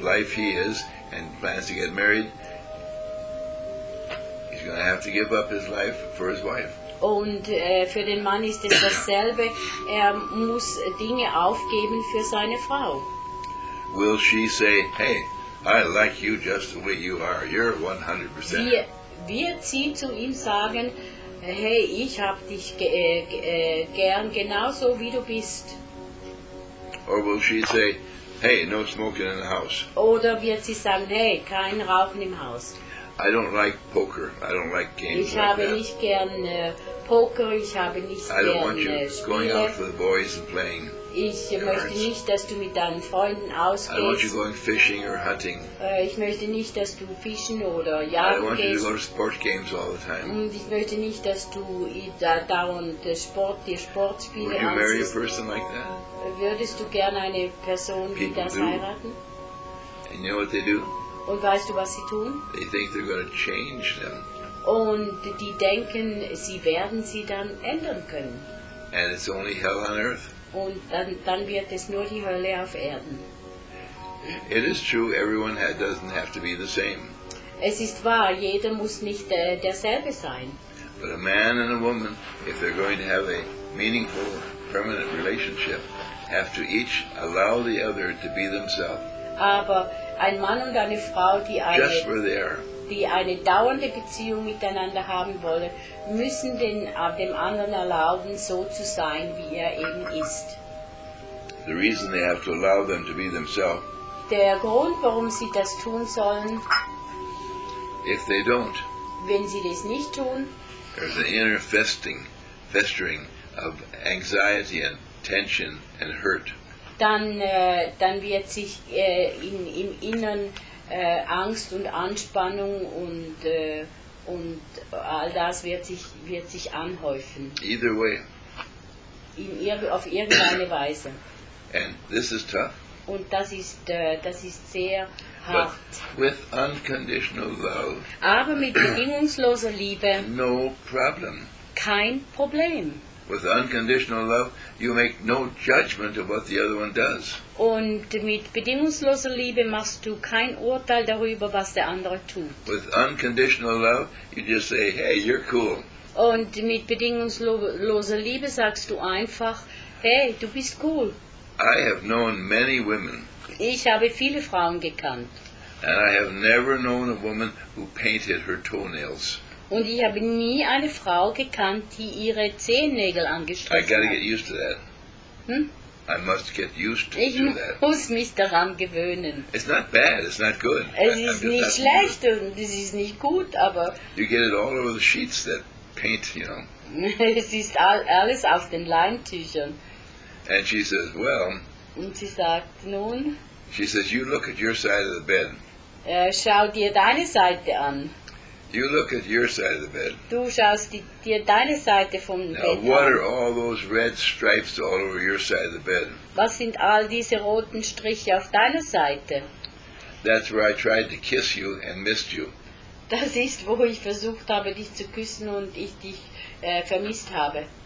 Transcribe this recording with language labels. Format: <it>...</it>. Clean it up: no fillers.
<en>life he is and plans to get married, he's going to have to give up his life for his wife.</en> <de>Und für den Mann ist es dasselbe. Er muss Dinge aufgeben für seine Frau.</de> <en>Will she say, hey, I like you just the way you are. You're 100%.</en> <de>Wird sie zu ihm sagen, hey, ich hab dich gern genauso wie du bist?</de> <en>Or will she say, hey, no smoking in the house?</en> <de>Oder wird sie sagen, hey, kein Rauchen im Haus?</de> <en>I don't like poker. I don't like games like that.</en> <de>Ich habe nicht gern Poker. Ich habe nicht gern Spiele.</de> <en>I don't want you going out with the boys and playing.</en> <de>Ich möchte nicht, dass du mit deinen Freunden ausgehst.</de> <en>I don't want you going fishing or hunting.</en> <de>Ich möchte nicht, dass du fischen oder jagen gehst.</de> <en>I don't want you to go to sport games all the time.</en> <de>Und ich möchte nicht, dass du dauernd Sportspiele ansiehst.</de> <en>Would you marry a person like that?</en> <de>Würdest du gern eine Person wie das heiraten?</de> <en>And you know what they do?</en> <de>Und weißt du, was sie tun?</de> <en>They think they're going to change them.</en> <de>Und die denken, sie werden sie dann ändern können.</de> <en>And it's only hell on earth.</en> <de>Und dann wird es nur die Hölle auf Erden.</de> <en>It is true, everyone doesn't have to be the same.</en> <de>Es ist wahr, jeder muss nicht derselbe sein.</de> <en>But a man and a woman, if they're going to have a meaningful, permanent relationship, have to each allow the other to be themselves.</en> <de>Aber ein Mann und eine Frau, die eine dauernde Beziehung miteinander haben wollen, müssen dem anderen erlauben, so zu sein, wie er eben ist.</de> <en>The reason they have to allow them to be themselves.</en> <de>Der Grund, warum sie das tun sollen,</de> <en>if they don't,</en> <de>wenn sie das nicht tun,</de> <en>there's an inner festering of anxiety and tension and hurt.</en> <de>Dann wird sich im Inneren Angst und Anspannung und all das wird sich anhäufen.</de> <en>Either way.</en> <de>Auf irgendeine Weise.</de> <en>And this is tough.</en> <de>Und das ist sehr hart.</de> <en>But with unconditional love.</en> <de>Aber mit bedingungsloser Liebe.</de> <en>No problem.</en> <de>Kein Problem.</de> <en>With unconditional love, you make no judgment of what the other one does.</en> <de>Und mit bedingungsloser Liebe machst du kein Urteil darüber, was der andere tut.</de> <en>With unconditional love, you just say, hey, you're cool.</en> <de>Und mit bedingungsloser Liebe sagst du einfach, hey, du bist cool.</de> <en>I have known many women.</en> <de>Ich habe viele Frauen gekannt.</de> <en>And I have never known a woman who painted her toenails.</en> <de>Und ich habe nie eine Frau gekannt, die ihre Zehennägel angestrichen hat.</de> <en>I gotta get used to that. I must get used to that.</en> <de>Ich muss mich daran gewöhnen.</de> <en>It's not bad, it's not good.</en> <de>Es ist nicht schlecht und es ist nicht gut, aber...</de> <en>You get it all over the sheets that paint, you know.</en> <de>Es ist alles auf den Leintüchern.</de> <en>And she says, well...</en> <de>Und sie sagt, nun...</de> <en>She says, you look at your side of the bed.</en> <de>Schau dir deine Seite an.</de> <en>You look at your side of the bed.</en> <de>Du schaust dir deine Seite vom</de> <en>now,</en> <de>Bett an.</de> <en>Now, what are all those red stripes all over your side of the bed?</en> <de>Was sind all diese roten Striche auf deiner Seite?</de> <en>That's where I tried to kiss you and missed you.</en> <de>Das ist, wo ich versucht habe, dich zu küssen und ich dich vermisst habe.</de>